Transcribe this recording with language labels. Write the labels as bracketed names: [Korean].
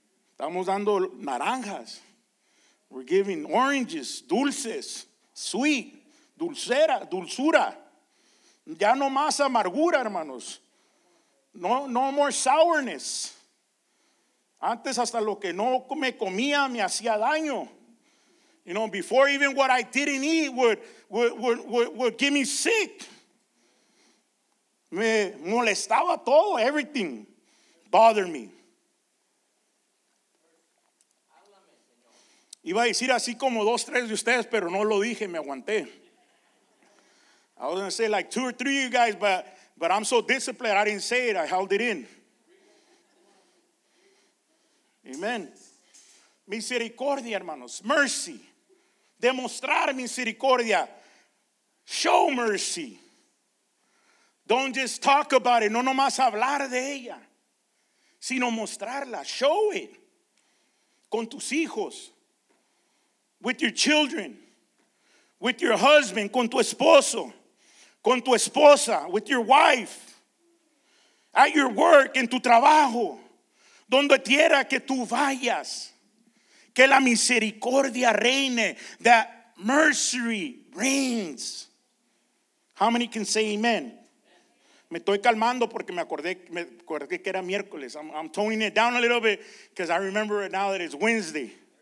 [Spanish] Estamos dando naranjas. [English] We're giving oranges, [Spanish] dulces, [English] sweet, [Spanish] dulcera, dulzura. Ya no más amargura, hermanos. [English] No more sourness. [Spanish] Antes hasta lo que no me comía me hacía daño. [English] You know, before even what I didn't eat would give me sick. [Spanish] Me molestaba todo, [English] everything bothered me. [Spanish] Iba a decir así como dos, tres de ustedes, pero no lo dije, me aguanté. [English] I was going to say like two or three of you guys, but I'm so disciplined, I didn't say it, I held it in. [Spanish] Amen. Misericordia, hermanos, mercy. Demostrar misericordia. [English] Show mercy. Don't just talk about it, [Spanish] no nomás hablar de ella, sino mostrarla, [English] show it. [Spanish] con tus hijos, [English] with your children, with your husband, [Spanish] con tu esposo, con tu esposa, [English] with your wife, at your work, [Spanish] en tu trabajo, donde quiera que tú vayas, que la misericordia reine, [English] that mercy reigns. How many can say amen? [Spanish] Me estoy calmando porque me acordé que era miércoles. [English] I'm toning it down a little bit because I remember it now that it's Wednesday.